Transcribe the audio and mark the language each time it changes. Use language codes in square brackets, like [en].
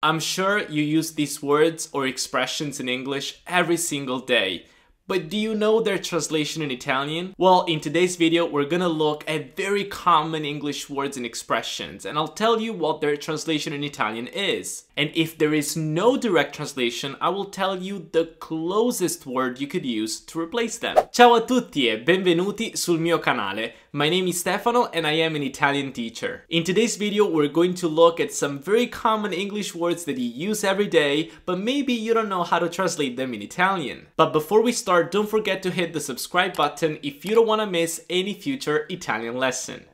[en] I'm sure you use these words or expressions in English every single day, but do you know their translation in Italian? Well, in today's video, we're gonna look at very common English words and expressions, and I'll tell you what their translation in Italian is. And if there is no direct translation, I will tell you the closest word you could use to replace them. [it] Ciao a tutti e benvenuti sul mio canale. [en] My name is Stefano and I am an Italian teacher. In today's video, we're going to look at some very common English words that you use every day, but maybe you don't know how to translate them in Italian. But before we start, don't forget to hit the subscribe button if you don't want to miss any future Italian lesson.